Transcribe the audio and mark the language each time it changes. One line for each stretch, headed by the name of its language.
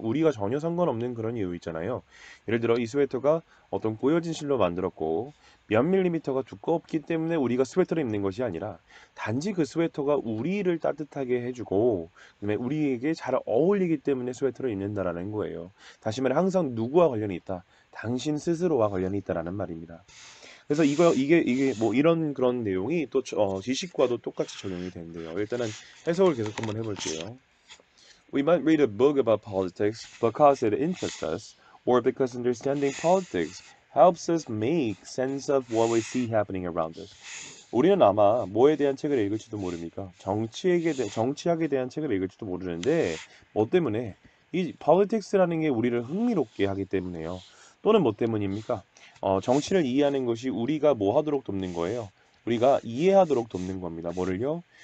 Korean: 우리가 전혀 상관없는 그런 이유 있잖아요. 예를 들어 이 스웨터가 어떤 꼬여진 실로 만들었고 몇 밀리미터가 두껍기 때문에 우리가 스웨터를 입는 것이 아니라 단지 그 스웨터가 우리를 따뜻하게 해주고 그다음에 우리에게 잘 어울리기 때문에 스웨터를 입는다라는 거예요. 다시 말해 항상 누구와 관련이 있다? 당신 스스로와 관련이 있다라는 말입니다. 그래서 뭐 이런 그런 내용이 또 지식과도 똑같이 적용이 되는데요. 일단은 해석을 계속 한번 해볼게요.
English: We might read a book about politics because it interests us, or because understanding politics helps us make sense of what we see happening around us.
Korean: 우리는 아마 뭐에 대한 책을 읽을지도 모릅니까? 정치학에 대한 책을 읽을지도 모르는데, 뭐 때문에? 이 politics라는 게 우리를 흥미롭게 하기 때문에요. 또는 뭐 때문입니까? 정치를 이해하는 것이 우리가 뭐 하도록 돕는 거예요? 우리가 이해하도록 돕는 겁니다. 뭐를요?